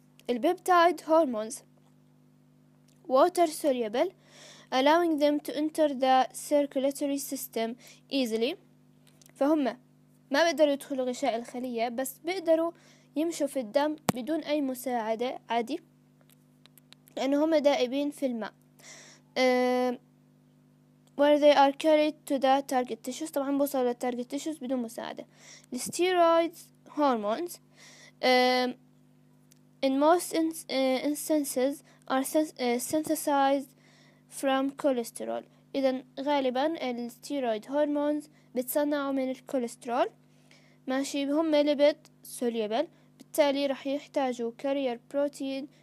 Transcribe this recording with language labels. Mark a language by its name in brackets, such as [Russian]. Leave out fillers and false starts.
[English] البيبتايد hormones water soluble allowing them to enter the circulatory system easily. [Arabic] فهم ما بيقدروا يدخلوا غشاء الخلية بس بيقدروا يمشوا في الدم بدون أي مساعدة عادي، لأنه هم دائبين في الماء. [English] Where they are carried to the target tissues. [Arabic] طبعا بوصلوا للتارجت تيشوز بدون مساعدة. [English] Steroids hormones in most instances are synthesized from cholesterol. [Arabic] إذن غالبا الستيرويد هرمونز بتصنعوا من الكوليسترول، ماشي. هم ليبيد سوليبل، بالتالي رح يحتاجوا كارير بروتين